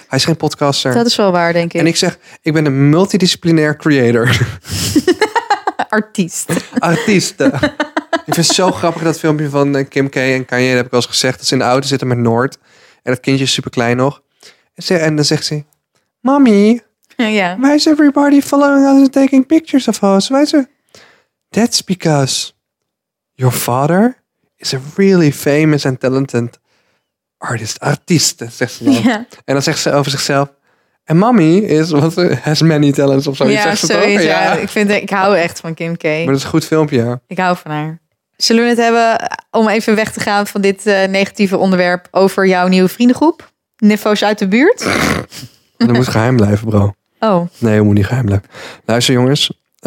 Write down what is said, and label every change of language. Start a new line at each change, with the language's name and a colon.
Dutch: Hij is geen podcaster. Dat is wel waar, denk ik. En ik zeg, ik ben een multidisciplinair creator. Artiest. Ik vind het zo grappig dat filmpje van Kim K en Kanye. Dat heb ik al eens gezegd. Dat ze in de auto zitten met Noord. En dat kindje is super klein nog. En dan zegt ze, mami. Ja.
English: Why is everybody following us and taking pictures of us? Why is it? That's because your father is a really famous and talented artiest,
Dutch: zegt ze dan. Ja. En dan zegt ze over zichzelf.
English: En mommy is, what, has many talents
Dutch: of zo. Ja, sowieso. Ja. Ik hou echt van Kim K. Maar dat is een goed filmpje. Ik hou van haar. Zullen we het hebben, om even weg te gaan van dit negatieve onderwerp, over jouw nieuwe vriendengroep? Niffo's uit de buurt? Dat moet geheim blijven, bro. Oh. Nee, dat moet niet geheim blijven. Luister, jongens.